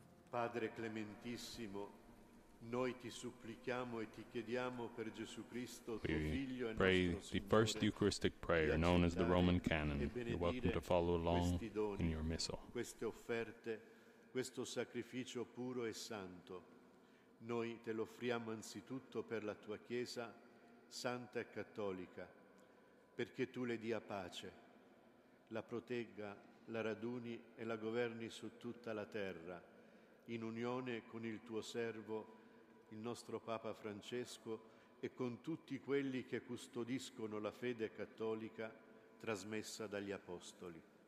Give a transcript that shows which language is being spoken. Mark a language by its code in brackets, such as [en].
[it] Padre clementissimo, noi ti supplichiamo e ti chiediamo per Gesù Cristo, tuo figlio e nostro Signore. [en] We pray the first Eucharistic prayer, known as the Roman Canon. You're welcome to follow along in your missal. [it] Queste offerte, questo sacrificio puro e santo, noi te lo offriamo anzitutto per la tua Chiesa, santa e cattolica, perché tu le dia pace, la protegga, la raduni e la governi su tutta la terra, in unione con il tuo servo, il nostro Papa Francesco, e con tutti quelli che custodiscono la fede cattolica trasmessa dagli Apostoli.